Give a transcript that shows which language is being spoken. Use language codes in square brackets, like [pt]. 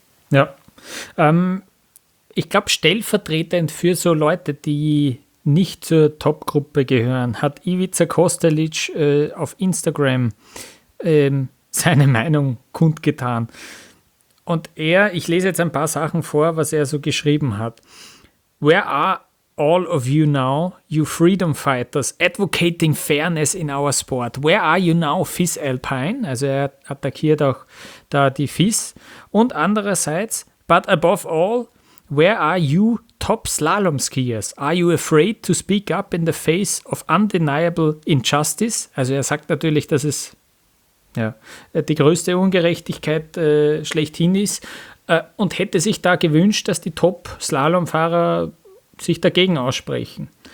[de] Ja, ich glaube, stellvertretend für so Leute, die nicht zur Top-Gruppe gehören, hat Ivica Kostelic auf Instagram seine Meinung kundgetan. Und ich lese jetzt ein paar Sachen vor, was er so geschrieben hat. [en] Where are all of you now, you freedom fighters, advocating fairness in our sport? Where are you now, FIS Alpine? [de] Also er attackiert auch da die FIS. Und andererseits, [en] but above all, where are you top slalom skiers? Are you afraid to speak up in the face of undeniable injustice? [de] Also er sagt natürlich, dass es ja die größte Ungerechtigkeit schlechthin ist und hätte sich da gewünscht, dass die top slalom fahrer sich dagegen aussprechen.